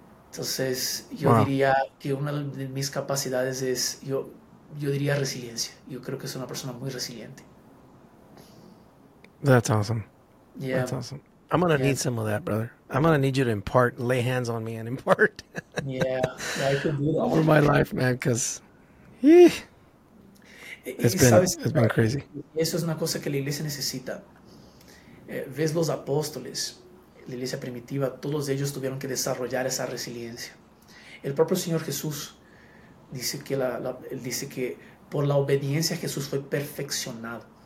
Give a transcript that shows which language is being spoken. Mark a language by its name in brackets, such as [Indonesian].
[Spanish] Entonces, yo diría que una de mis capacidades es, yo diría resiliencia. Yo creo que soy una persona muy resiliente. [English] That's awesome. Yeah. That's awesome. I'm going to need some of that, brother. I'm going to need you to impart, lay hands on me and impart. Yeah, I can do that. Over my life, man, because it's been crazy. [Spanish] Eso es una cosa que la iglesia necesita. Ves los apóstoles, la iglesia primitiva, todos ellos tuvieron que desarrollar esa resiliencia. El propio Señor Jesús dice que, dice que por la obediencia Jesús fue perfeccionado.